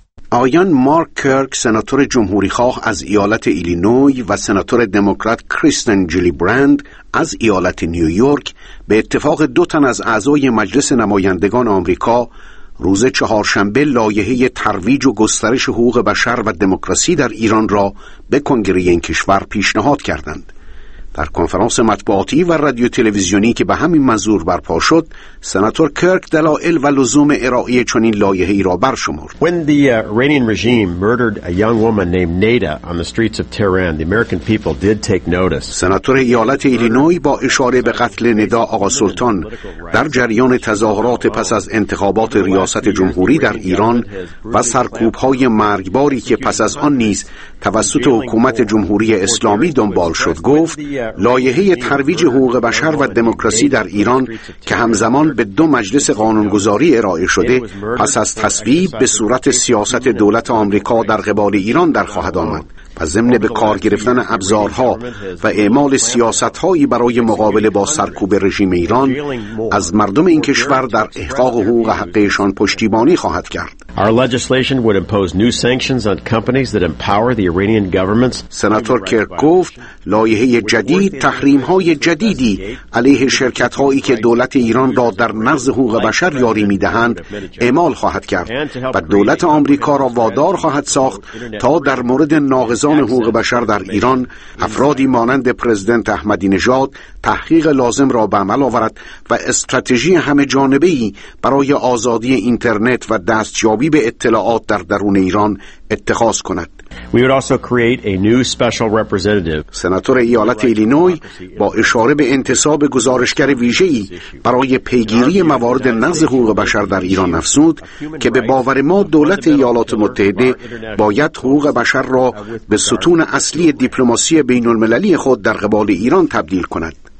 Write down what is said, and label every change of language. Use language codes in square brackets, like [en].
[fa] آقایان مارک کرک، سناتور جمهوری خواه از ایالت ایلینوی و سناتور دموکرات کریستن جیلی برند از ایالت نیویورک، به اتفاق دو تن از اعضای مجلس نمایندگان آمریکا روز چهارشنبه لایحه ترویج و گسترش حقوق بشر و دموکراسی در ایران را به کنگره این کشور پیشنهاد کردند. در کنفرانس مطبوعاتی و رادیو تلویزیونی که به همین منظور برپا شد، سناتور کرک دلایل و لزوم ارائه چنین لایحه‌ای را برشمرد. [en] When the Iranian regime murdered a young woman named Nada on the streets of Tehran, the American people did take notice. [fa] سناتور ایالت ایلینوی با اشاره به قتل ندا آقا سلطان در جریان تظاهرات پس از انتخابات ریاست جمهوری در ایران و سرکوب‌های مرگباری که پس از آن نیز توسط حکومت جمهوری اسلامی دنبال شد، گفت لایحه ترویج حقوق بشر و دموکراسی در ایران که همزمان به دو مجلس قانونگذاری ارائه شده پس از تصویب به صورت سیاست دولت آمریکا در قبال ایران در خواهد آمد و ضمن به کار گرفتن ابزارها و اعمال سیاستهایی برای مقابله با سرکوب رژیم ایران، از مردم این کشور در احقاق حقوق حقشان پشتیبانی خواهد کرد. [en] Our legislation would impose new sanctions on companies that empower the Iranian governments. [fa] سناتور کرک گفت لایحه جدید تحریم‌های جدیدی علیه شرکت‌هایی که دولت ایران را در نقض حقوق بشر یاری می‌دهند اعمال خواهد کرد و دولت آمریکا را وادار خواهد ساخت تا در مورد ناقضان حقوق بشر در ایران افرادی مانند پرزیدنت احمدی نژاد تحقیق لازم را به عمل آورد و استراتژی همه‌جانبه‌ای برای آزادی اینترنت و دست یابی به اطلاعات در درون ایران اتخاذ کند. [en] We would also create a new special representative. [fa] سناتور ایالت ایلینوی با اشاره به انتصاب گزارشگر ویژه‌ای برای پیگیری موارد نقض حقوق بشر در ایران افزود که به باور ما دولت ایالات متحده باید حقوق بشر را به ستون اصلی دیپلماسی بین‌المللی خود در قبال ایران تبدیل کند.